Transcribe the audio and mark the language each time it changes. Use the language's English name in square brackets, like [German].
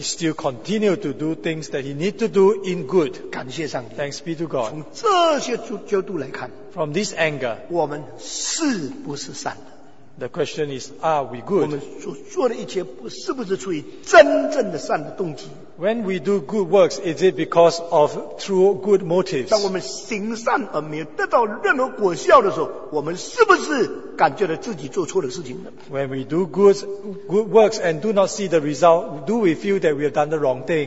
[English] He still continued to do things that he need to do in good. [Chinese] 感谢上帝。 [English] Thanks be to God. [Chinese] 从这些角度来看, [English] from this anger, [Chinese] 我们是不是善的? [English] The question is, are we good? [Chinese] 我们所做的一切不是不是出于真正的善的动机? [English] When we do good works, is it because of true good motives? [Chinese] 当我们行善而没有得到任何果效的时候, 我们是不是感觉到自己做错的事情呢? [English] When we do good works and do not see the result, do we feel that we have done the wrong thing?